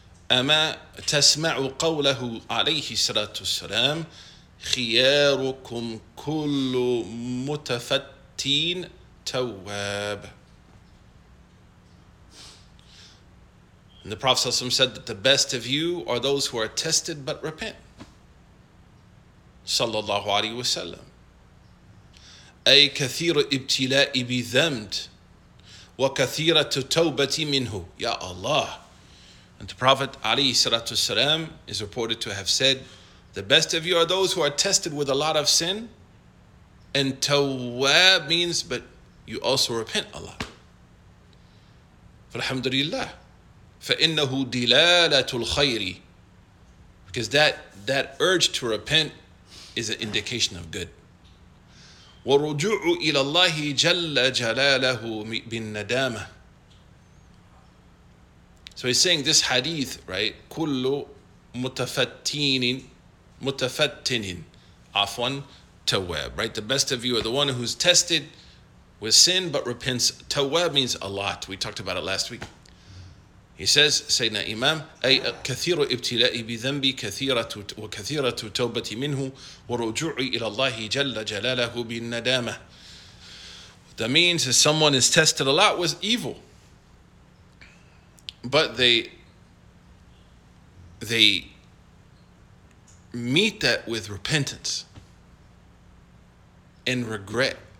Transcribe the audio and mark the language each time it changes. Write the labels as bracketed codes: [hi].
[ar] أَمَا تَسْمَعُ قَوْلَهُ عَلَيْهِ سَلَاتُ السَّلَامِ خِيَارُكُمْ كُلُّ مُتَفَتِّينَ تَوَّابٍ. [en] The Prophet ﷺ said that the best of you are those who are tested but repent. [ar] صلى الله عليه وسلم. أي كثير ابتلاء بذنب وكثيرة توبة منه. يا الله. [en] And the Prophet [ar] عليه الصلاة والسلام [en] is reported to have said, the best of you are those who are tested with a lot of sin, and tawwab means, but you also repent a lot. [ar] فالحمد لله. فإنه دلالة الخير. [en] Because that urge to repent is an indication of good. [ar] وَرُجُوعُ إِلَى اللَّهِ جَلَّ جَلَالَهُ بِالنَّدَامَةِ. [en] So he's saying this hadith, right? [ar] كُلُّ مُتَفَتِّينٍ مُتَفَتِّنٍ عَفْوًا تَوَّابٍ. [en] Right? The best of you are the one who's tested with sin but repents. تَوَّاب means a lot. We talked about it last week. He says, Sayyidina Imam, [ar] أي كثير ابتلاء بذنبي كثيرة وكثيرة توبة منه ورجوعي إلى الله جل جلاله بالندامة. [en] That means that someone is tested a lot with evil, but they meet that with repentance and regret.